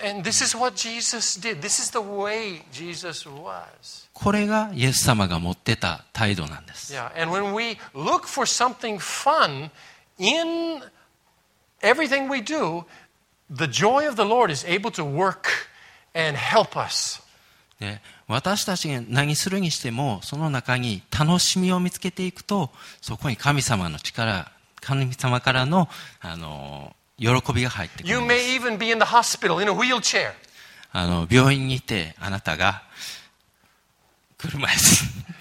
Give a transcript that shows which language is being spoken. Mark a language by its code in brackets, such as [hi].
[en] And this is what Jesus did. This is the way Jesus was. [ja] これがイエス様が持ってた態度なんです。 [en] Yeah. And when we look for something fun in everything we do, the joy of the Lord is able to work and help us. [ja] で、私たちが何するにしてもその中に楽しみを見つけていくと、そこに神様の力、神様からの喜びが入ってくる。 [en] You may even be in the hospital in a wheelchair. [ja] 病院にいてあなたが車椅子。